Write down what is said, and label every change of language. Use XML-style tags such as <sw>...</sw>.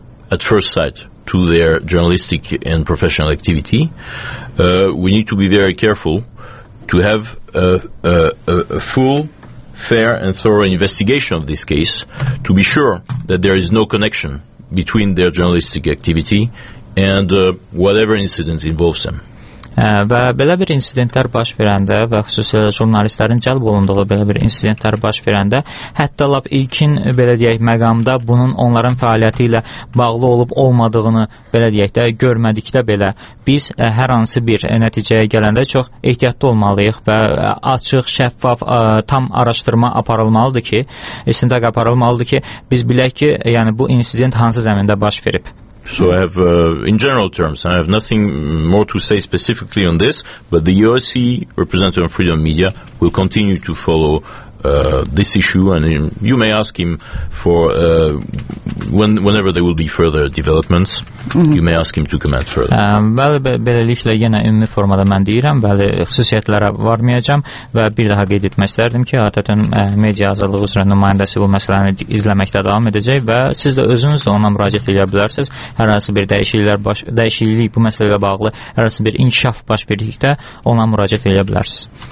<en>at first sight to their journalistic and professional activity, we need to be very careful to have a full, fair and thorough investigation of this case to be sure that there is no connection between their journalistic activity and whatever incident involves them.</en> <az>Və belə bir insidentlər baş verəndə və xüsusilə jurnalistlərin cəlb olunduğu belə bir insidentlər baş verəndə hətta lap ilkin belə deyək məqamda bunun onların fəaliyyəti ilə bağlı olub olmadığını belə deyək də görmədikdə belə biz hər hansı bir nəticəyə gələndə çox ehtiyatlı olmalıyıq və açıq, şəffaf, tam araşdırma aparılmalıdır ki, istintaq aparılmalıdır ki, biz bilək ki, yəni bu insident hansı zəmində baş verib.</az> <en>So I have, in general terms, I have nothing more to say specifically on this, but the OSCE representative on freedom of media will continue to follow this issue, and you may ask him for whenever there will be further developments, you may ask him to comment further.</en> <az>Bəli, beləliklə, yenə ümumi formada mən deyirəm, bəli, xüsusiyyətlərə varmayacam və bir daha qeyd etmək istərdim ki, ATƏT-in media azadlığı üzrə nümayəndəsi bu məsələni izləməkdə davam edəcək və siz də özünüz də ona müraciət edə bilərsiniz. Hər hansı bir dəyişiklik bu məsələ ilə bağlı, hər hansı bir inkişaf baş verdikdə ona müraciət edə bilərsiniz.</az>